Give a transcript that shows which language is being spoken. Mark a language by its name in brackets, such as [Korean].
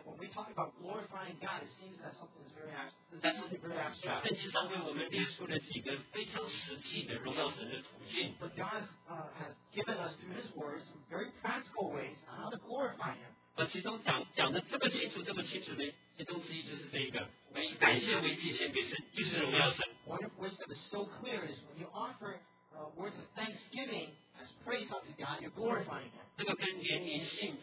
[English] when we talk about glorifying God, it seems that something is very abstract. [Chinese] 圣经上为我们列出了几个非常实际的荣耀神的途径。 [English] But God has given us through His words some very practical ways on how to glorify Him. [Chinese] 其中讲的这么清楚，这么清楚的，其中之一就是这一个，以感谢为祭献给神，就是荣耀神。 [English] One of which that is so clear is when you offer words of thanksgiving as praise unto God, you're glorifying Him.